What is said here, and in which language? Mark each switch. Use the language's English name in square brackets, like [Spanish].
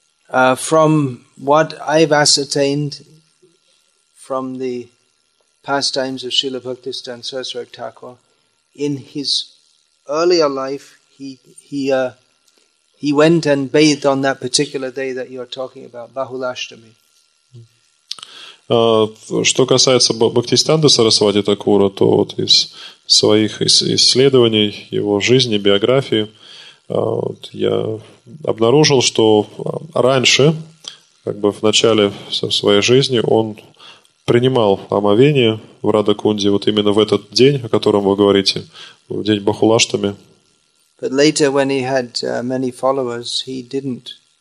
[English] From what I've ascertained from the pastimes of Srila Bhaktisiddhanta Saraswati Thakur, in his earlier life, he went and bathed on that particular day that you're talking about, Bahulashtami. [Russian] Что касается Бхактисиддханты Сарасвати Такура, то вот из своих исследований, его жизни, биографии, я обнаружил, что раньше, как бы в начале своей жизни, он принимал омовение в Радхакунде, вот именно в этот день, о котором вы говорите, в день Бахулаштами. [English] But later, when he had many followers, he didn't.